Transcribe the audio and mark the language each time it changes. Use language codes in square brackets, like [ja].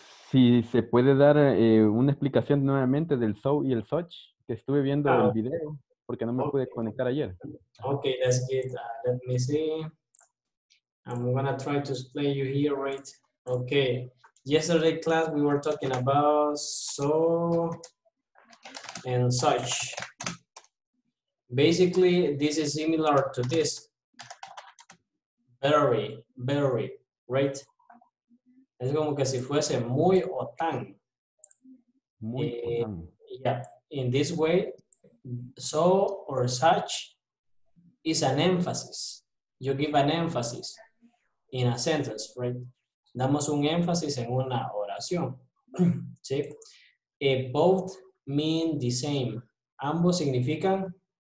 [es] Si se puede dar una explicación nuevamente del so y el such, que estuve viendo el video, porque no me pude conectar ayer. [en] Okay, that's good. Let me see. I'm gonna try to explain you here, right? Okay. Yesterday class, we were talking about so and such. Basically, this is similar to this. Very, very, right? [es] Es como que si fuese muy o tan. Muy o tan. [en] Yeah, in this way, so or such is an emphasis. You give an emphasis in a sentence, right? [es] Damos un énfasis en una oración. ¿Sí? [en] Both mean the same. [es] Ambos significan.